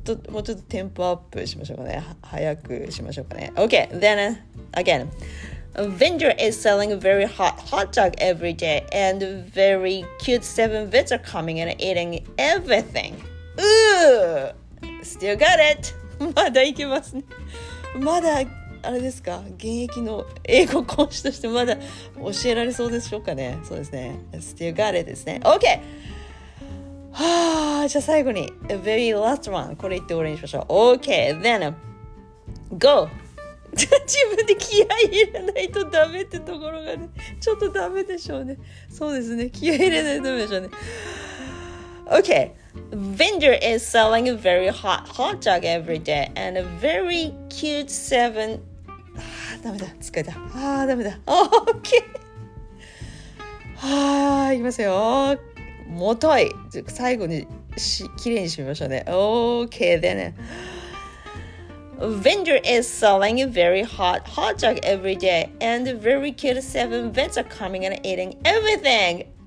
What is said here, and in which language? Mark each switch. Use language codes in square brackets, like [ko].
[ja] もうちょっとテンポアップしましょうかね。早くしましょうかね。 [en] Okay, then again. A vendor is selling a very hot hot dog every day, and very cute 7 vets are coming and eating everything. Ooh! Still got it! [ja] まだいけますね。まだ、あれですか、現役の英語講師としてまだ教えられそうでしょうかね。そうですね。 [en] Still got it [ja] ですね。Okay! はあ、じゃあ最後に [en] A very last one、 [ja] これ言って終わりにしましょう。 [en] OK, then Go [ja] 自分で気合い入れないとダメってところがね、ちょっとダメでしょうね。そうですね、気合い入れないとダメでしょうね。 [en] OK, Vendor is selling a very hot hot dog every day, and a very cute seven、 [ja] ああダメだ、疲れた、ああダメだ。 OK、 はあ、いきますよ。もとい、最後にし、きれいにしましょうね。 [en] OK, then Vendor is selling a very hot hot dog every day, and very cute 7 vets are coming and eating everything.